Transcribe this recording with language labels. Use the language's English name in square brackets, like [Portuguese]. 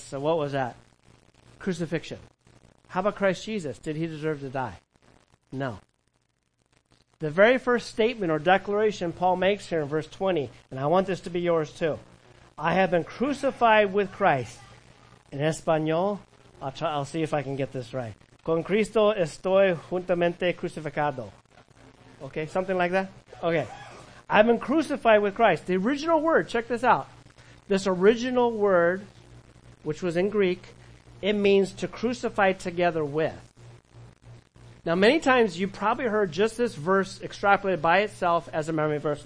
[English] So what was that? Crucifixion. How about Christ Jesus? Did he deserve to die? No. The very first statement or declaration Paul makes here in verse 20, and I want this to be yours too. I have been crucified with Christ. In Espanol, I'll see if I can get this right. [Spanish] Con Cristo estoy juntamente crucificado. [English] Okay, something like that? Okay. I've been crucified with Christ. The original word, check this out. This original word, which was in Greek, it means to crucify together with. Now, many times you probably heard just this verse extrapolated by itself as a memory verse.